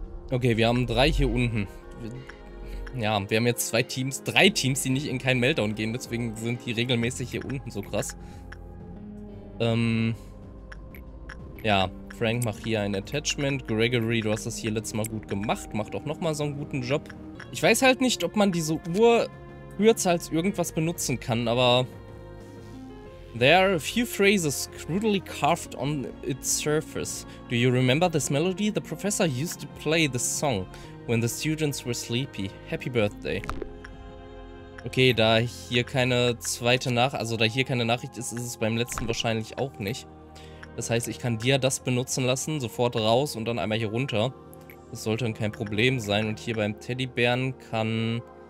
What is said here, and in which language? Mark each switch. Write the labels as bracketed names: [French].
[German] Okay, wir haben drei hier unten. Ja, wir haben jetzt zwei Teams, drei Teams, die nicht in keinen Meltdown gehen, deswegen sind die regelmäßig hier unten so krass. Ja, Frank, mach hier ein Attachment. Gregory, du hast das hier letztes Mal gut gemacht. Mach doch nochmal so einen guten Job. Ich weiß halt nicht, ob man diese Uhr höher als irgendwas benutzen kann, aber... [English] There are a few phrases crudely carved on its surface. Do you remember this melody? The professor used to play this song when the students were sleepy. Happy birthday. [German] Okay, da hier keine zweite Nachricht, also da hier keine Nachricht ist, ist es beim letzten wahrscheinlich auch nicht. Das heißt, ich kann dir das benutzen lassen, sofort raus und dann einmal hier runter. Das sollte dann kein Problem sein. Und hier beim Teddybären kann...